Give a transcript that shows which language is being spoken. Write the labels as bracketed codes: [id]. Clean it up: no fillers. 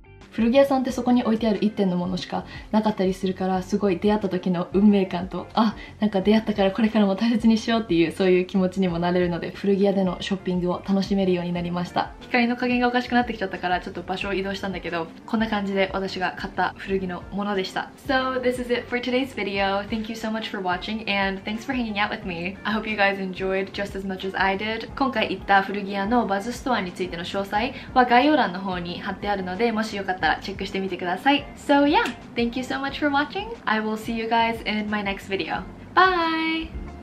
[ja] 古着屋さんってそこに置いてある1点のものしかなかったりするから、すごい出会った時の運命感と、あ、なんか出会ったからこれからも大切にしようっていう、そういう気持ちにもなれるので、古着屋でのショッピングを楽しめるようになりました。光の加減がおかしくなってきちゃったからちょっと場所を移動したんだけど、こんな感じで私が買った古着のものでした。 [en] So this is it for today's video. Thank you so much for watching and thanks for hanging out with me. I hope you guys enjoyed just as much as I did. [ja] 今回行った古着屋のバズストアについての詳細は概要欄の方に貼ってあるので、もしよかったチェックしてみてください。 [en] So yeah, thank you so much for watching. I will see you guys in my next video. Bye!